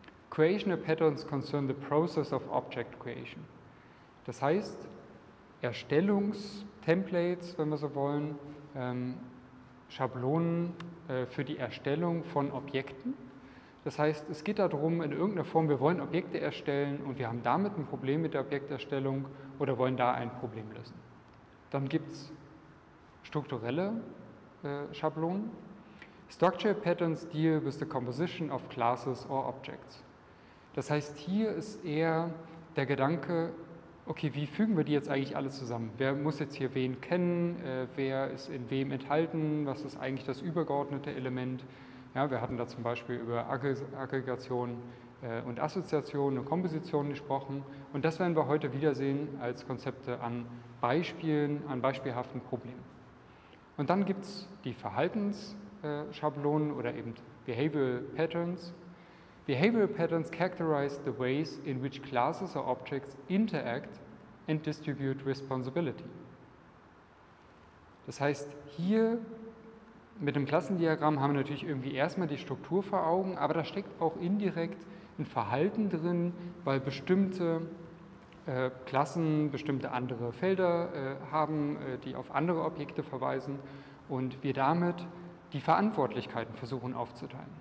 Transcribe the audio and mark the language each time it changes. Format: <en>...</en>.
<en>Creational Patterns concern the process of object creation.</en> <de>Das heißt, Erstellungstemplates, wenn wir so wollen, Schablonen für die Erstellung von Objekten. Das heißt, es geht darum, in irgendeiner Form, wir wollen Objekte erstellen und wir haben damit ein Problem mit der Objekterstellung oder wollen da ein Problem lösen. Dann gibt es strukturelle Schablonen.</de> <en>Structure Patterns deal with the composition of classes or objects.</en> <de>Das heißt, hier ist eher der Gedanke, okay, wie fügen wir die jetzt eigentlich alle zusammen? Wer muss jetzt hier wen kennen? Wer ist in wem enthalten? Was ist eigentlich das übergeordnete Element? Ja, wir hatten da zum Beispiel über Aggregation und Assoziation und Komposition gesprochen. Und das werden wir heute wiedersehen als Konzepte an Beispielen, an beispielhaften Problemen. Und dann gibt es die Verhaltensschablonen oder eben</de> <en>behavioral patterns. Behavioral patterns characterize the ways in which classes or objects interact and distribute responsibility.</en> <de>Das heißt, hier mit dem Klassendiagramm haben wir natürlich irgendwie erstmal die Struktur vor Augen, aber da steckt auch indirekt ein Verhalten drin, weil bestimmte Klassen bestimmte andere Felder haben, die auf andere Objekte verweisen und wir damit die Verantwortlichkeiten versuchen aufzuteilen.</de>